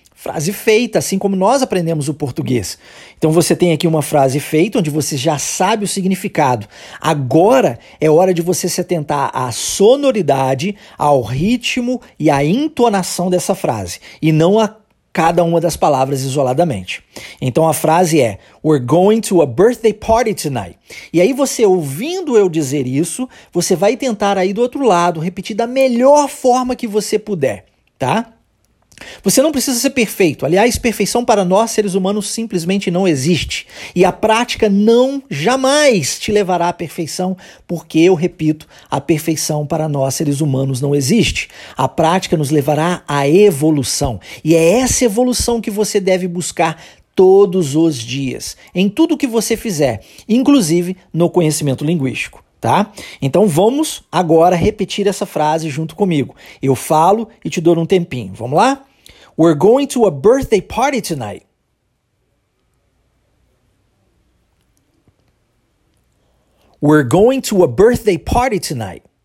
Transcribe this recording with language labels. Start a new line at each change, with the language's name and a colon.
Portuguese: Frase feita, assim como nós aprendemos o português. Então você tem aqui uma frase feita, onde você já sabe o significado. Agora é hora de você se atentar à sonoridade, ao ritmo e à entonação dessa frase, e não a cada uma das palavras isoladamente. Então a frase é:
English: "We're going to a birthday party tonight."
Portuguese: E aí você, ouvindo eu dizer isso, você vai tentar aí do outro lado repetir da melhor forma que você puder, tá? Você não precisa ser perfeito. Aliás, perfeição para nós seres humanos simplesmente não existe. E a prática não jamais te levará à perfeição, porque, eu repito, a perfeição para nós seres humanos não existe. A prática nos levará à evolução. E é essa evolução que você deve buscar todos os dias, em tudo que você fizer, inclusive no conhecimento linguístico. Tá? Então vamos agora repetir essa frase junto comigo. Eu falo e te dou um tempinho. Vamos lá?
English: We're going to a birthday party tonight. We're going to a birthday party tonight.